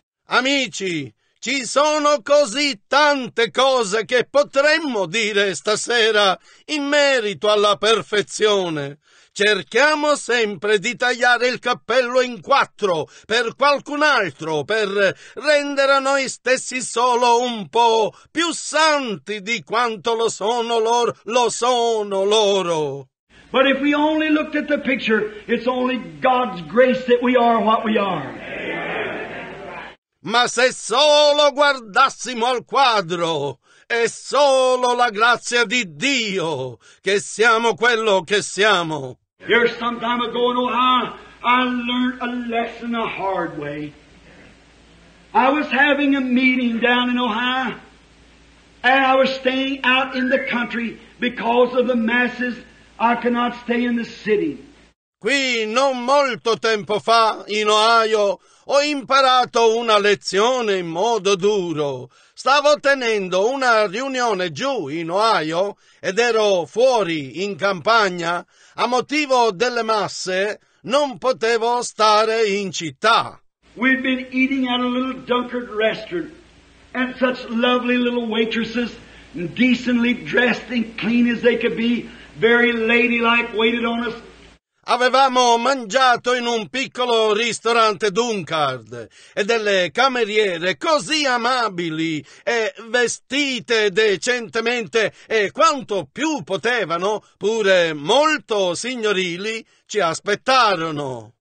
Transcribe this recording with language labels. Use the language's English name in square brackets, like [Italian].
[Italian] Amici, ci sono così tante cose che potremmo dire stasera in merito alla perfezione. Cerchiamo sempre di tagliare il cappello in quattro per qualcun altro, per rendere a noi stessi solo un po' più santi di quanto lo sono loro. [English] But if we only looked at the picture, it's only God's grace that we are what we are. [Italian] Ma se solo guardassimo al quadro, è solo la grazia di Dio che siamo quello che siamo. [English] Here some time ago in Ohio, I learned a lesson the hard way. I was having a meeting down in Ohio, and I was staying out in the country because of the masses. I cannot stay in the city. [Italian] Qui non molto tempo fa, in Ohio, ho imparato una lezione in modo duro. Stavo tenendo una riunione giù in Ohio ed ero fuori in campagna. A motivo delle masse non potevo stare in città. [English] We've been eating at a little dunkard restaurant, and such lovely little waitresses, decently dressed and clean as they could be, very ladylike, waited on us. [Italian] Avevamo mangiato in un piccolo ristorante Dunkard e delle cameriere così amabili e vestite decentemente e quanto più potevano, pure molto signorili, ci aspettarono.